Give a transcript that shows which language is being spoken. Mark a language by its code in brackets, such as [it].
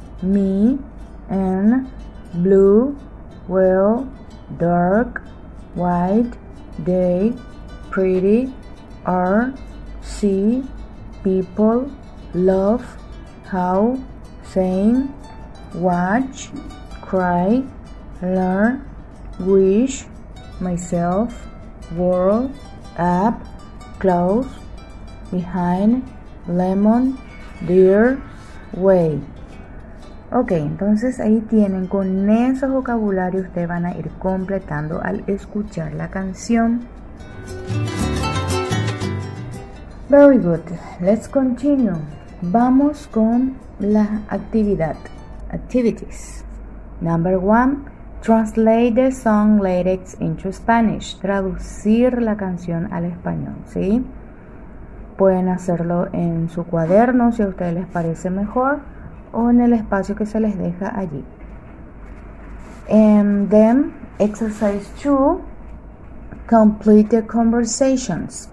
[en] me and blue, well, dark, white, they, pretty, are, see, people, love, how, saying, watch, cry, learn, wish, myself, world, up, close, behind, lemon, dear, way. [es] Ok, entonces ahí tienen, con esos vocabularios ustedes van a ir completando al escuchar la canción. [en] Very good, let's continue. Vamos con la actividad. Activities. Number one, translate the song lyrics into Spanish. [es] Traducir la canción al español, ¿sí? Pueden hacerlo en su cuaderno si a ustedes les parece mejor, o en el espacio que se les deja allí. [en] And then, exercise 2, complete the conversations.